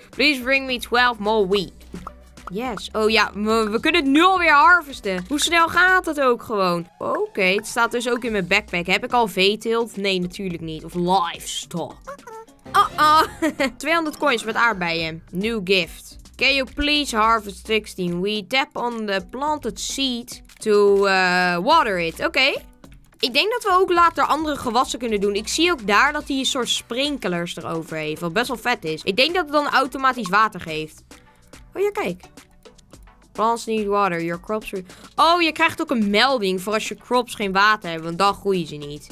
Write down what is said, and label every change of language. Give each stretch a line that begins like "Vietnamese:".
English: Please bring me 12 more wheat. Yes.
Dutch: Oh ja, we kunnen het nu alweer harvesten. Hoe snel gaat het ook gewoon? Oké, het staat dus ook in mijn backpack. Heb ik al veeteelt? Nee, natuurlijk niet. Of livestock. Oh.
English: 200 coins
Dutch: met aardbeien.
English: New gift. Can you please harvest 16? We tap on the planted seed to water it.
Dutch: Oké. Ik denk dat we ook later andere gewassen kunnen doen. Ik zie ook daar dat hij een soort sprinklers erover heeft. Wat best wel vet is. Ik denk dat het dan automatisch water geeft. Oh ja, kijk.
English: Plants need water. Your crops...
Dutch: Oh, je krijgt ook een melding voor als je crops geen water hebben. Want dan groeien ze niet.